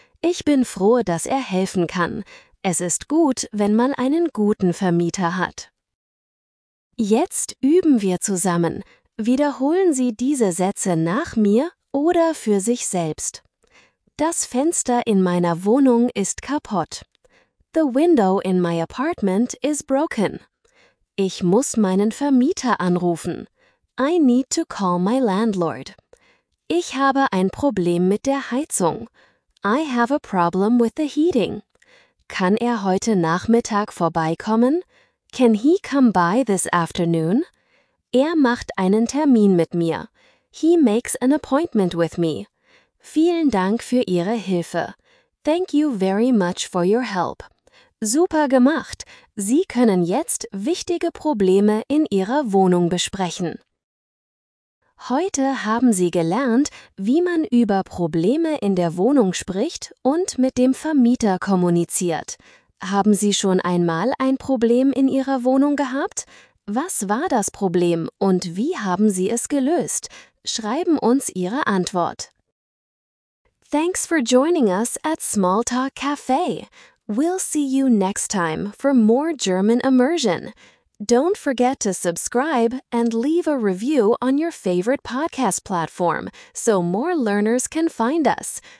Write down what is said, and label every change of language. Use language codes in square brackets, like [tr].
[de] Ich bin froh, dass er helfen kann. Es ist gut, wenn man einen guten Vermieter hat. Jetzt üben wir zusammen. Wiederholen Sie diese Sätze nach mir oder für sich selbst. Das Fenster in meiner Wohnung ist kaputt. [en] The window in my apartment is broken. [de] Ich muss meinen Vermieter anrufen. [en] I need to call my landlord. [de] Ich habe ein Problem mit der Heizung. [en] I have a problem with the heating. [de] Kann er heute Nachmittag vorbeikommen? [en] Can he come by this afternoon? [de] Er macht einen Termin mit mir. [en] He makes an appointment with me. [de] Vielen Dank für Ihre Hilfe. [en] Thank you very much for your help. [de] Super gemacht! Sie können jetzt wichtige Probleme in Ihrer Wohnung besprechen. Heute haben Sie gelernt, wie man über Probleme in der Wohnung spricht und mit dem Vermieter kommuniziert. Haben Sie schon einmal ein Problem in Ihrer Wohnung gehabt? Was war das Problem und wie haben Sie es gelöst? Schreiben uns Ihre Antwort. [en] Thanks for joining us at Small Talk Cafe. We'll see you next time for more German immersion. Don't forget to subscribe and leave a review on your favorite podcast platform so more learners can find us.